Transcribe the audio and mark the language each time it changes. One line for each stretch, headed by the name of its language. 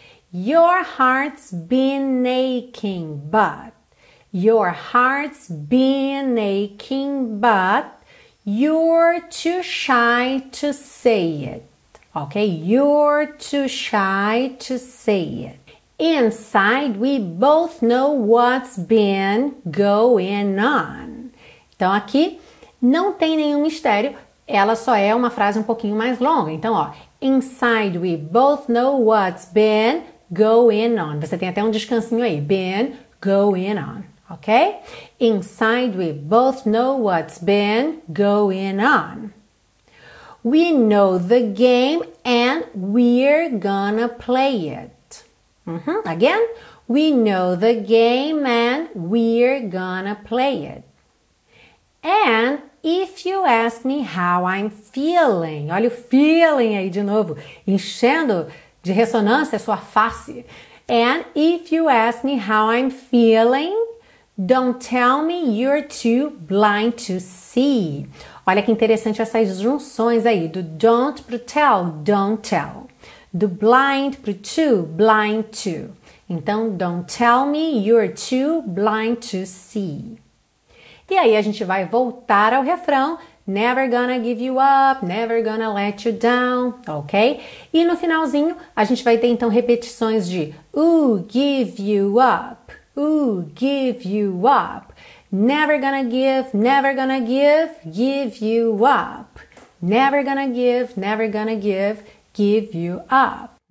English: Your heart's been aching, but your heart's been aching, but you're too shy to say it. Okay, you're too shy to say it. Inside, we both know what's been going on.
Portuguese: Então aqui não tem nenhum mistério, ela só é uma frase um pouquinho mais longa. Então, ó,
English: inside, we both know what's been going on.
Portuguese: Você tem até um descansinho aí,
English: been going on. Okay? Inside, we both know what's been going on. We know the game and we're gonna play it. Again, we know the game and we're gonna play it. And if you ask me how I'm feeling,
Portuguese: olha o feeling aí de novo, enchendo de ressonância a sua face.
English: And if you ask me how I'm feeling, don't tell me you're too blind to see.
Portuguese: Olha que interessante essas junções aí, do don't pro tell,
English: don't tell.
Portuguese: Do blind pro too,
English: blind to.
Portuguese: Então,
English: don't tell me you're too blind to see.
Portuguese: E aí, a gente vai voltar ao refrão.
English: Never gonna give you up, never gonna let you down, ok?
Portuguese: E no finalzinho, a gente vai ter então repetições de
English: Ooh, give you up, ooh, give you up. Never gonna give, never gonna give, give you up. Never gonna give, never gonna give, give you up.